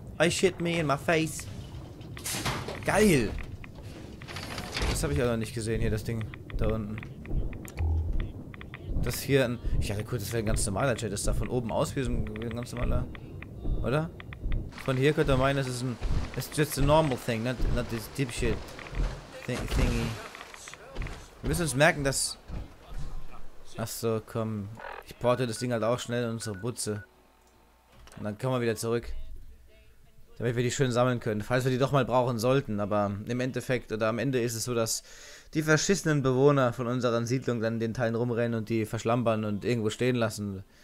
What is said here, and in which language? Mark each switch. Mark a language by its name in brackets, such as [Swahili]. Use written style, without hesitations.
[English] I shit me in my face. [German] Geil! Das habe ich auch noch nicht gesehen hier, das Ding. Da unten. Das hier ein. Ich dachte kurz, das wäre ein ganz normaler Chat. Das sah von oben aus wie so ein ganz normaler. Oder? Von hier könnte man meinen, das ist ein. [English] It's just a normal thing, not this deep shit thingy. [German] Wir müssen uns merken, dass. Achso, komm. Ich porte das Ding halt auch schnell in unsere Butze. Und dann kommen wir wieder zurück. Damit wir die schön sammeln können. Falls wir die doch mal brauchen sollten. Aber im Endeffekt oder am Ende ist es so, dass die verschissenen Bewohner von unseren Siedlungen dann in den Teilen rumrennen und die verschlampern und irgendwo stehen lassen.